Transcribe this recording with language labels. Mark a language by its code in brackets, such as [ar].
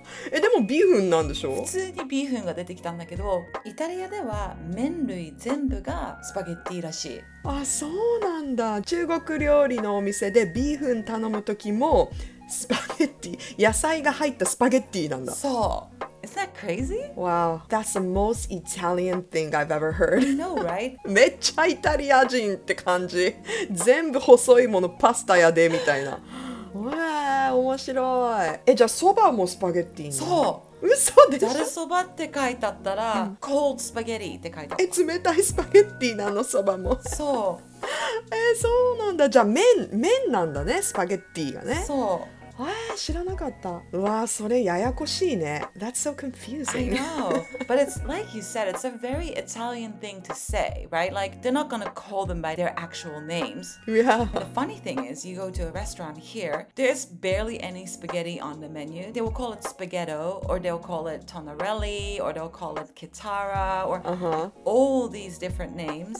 [ja] え、でもビーフンなんでしょ。普通にビーフンが出てきたんだけど、イタリアでは麺類全部がスパゲッティらしい。あ、そうなんだ。中国料理のお店でビーフン頼む時もスパゲッティ、野菜が入ったスパゲッティなんだ。 [en] そう。Is that crazy? Wow, that's the most Italian thing I've ever heard. I know, right? [ja] めっちゃイタリア人って感じ。全部細いものパスタやでみたいな。わあ、面白い。え、じゃあそばもスパゲッティ？そう。嘘でしょ？ザルそばって書いてあったら、うん、コールドスパゲッティって書いてあった。え、冷たいスパゲッティなの、そばも。そう。え、そうなんだ。じゃあ麺なんだね、スパゲッティがね。そう。あ、知らなかった。うわ、それややこしいね。 [en] That's so confusing. I know. But it's like you said, it's a very Italian thing to say, right? Like, they're not going to call them by their actual names. Yeah. The funny thing is, you go to a restaurant here, there's barely any spaghetti on the menu. They will call it spaghetto, or they'll call it tonnarelli, or they'll call it chitarra, or all these different names.